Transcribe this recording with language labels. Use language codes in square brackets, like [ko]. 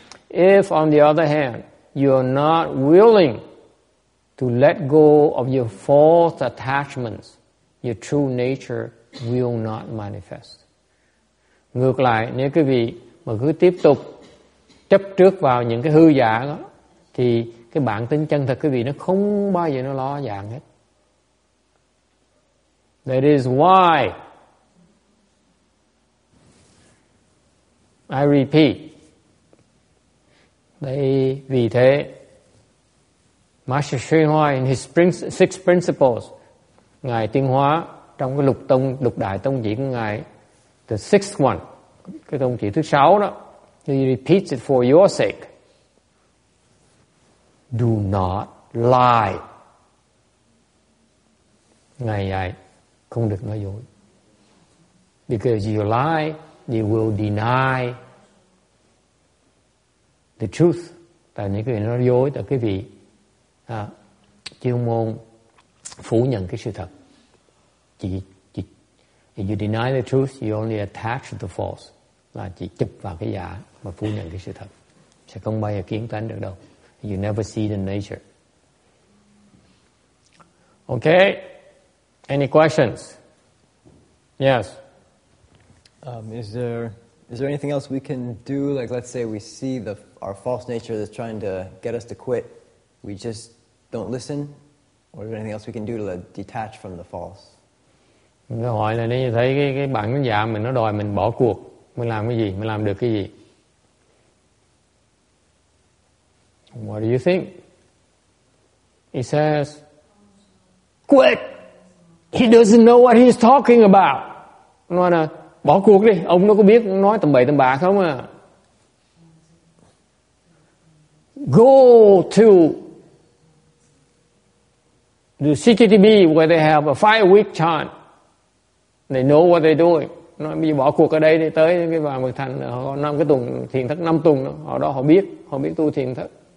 [en] If on the other hand you are not willing to let go of your false attachments, your true nature will not manifest. [vi] Ngược lại, nếu quý vị mà cứ tiếp tục chấp trước vào những cái hư giả đó, thì cái bản tính chân thật quý vị nó không bao giờ nó rõ ràng hết. [en] That is why I repeat. [vi] Đây, vì thế [en] Master Sri Hoa in his six principles, [vi] Ngài Tiên Hóa trong cái lục tông, lục đại tông chỉ của Ngài, [en] the sixth one, [vi] cái tông chỉ thứ sáu đó, [en] he repeats it for your sake. Do not lie. [vi] Ngài dạy không được nói dối. [en] Because you lie, you will deny the truth. [vi] Tại những người nói dối, tại quý vị chuyên môn phủ nhận cái sự thật. [en] Chỉ, if you deny the truth, you only attach to the false. [vi] Là chỉ chụp vào cái giả mà phủ nhận cái sự thật. Sẽ không bao giờ kiến tánh được đâu. [en] You never see the nature. Okay. Any questions? Yes. Is there anything else we can do? Like, let's say we see our false nature that's trying to get us to quit. We just don't listen. Or is there anything else we can do to detach from the false? [vi] Người hỏi là nếu như thấy cái bản giả mình nó đòi mình bỏ cuộc, mình làm cái gì? Mình làm được cái gì? [en] What do you think? He says, quit! He doesn't know what he's talking about. [vi] Nói là, bỏ cuộc đi. Ông nó có biết nói tầm bậy tầm bạ không à? [en] Go to the CTTB where they have a 5-week chant. They know what they're doing. [vi] Nói bây giờ bỏ cuộc ở đây thì tới cái vàng vực thành, họ có 5 cái tuần thiền thất, 5 tuần đó. Họ đó họ biết tu thiền thất.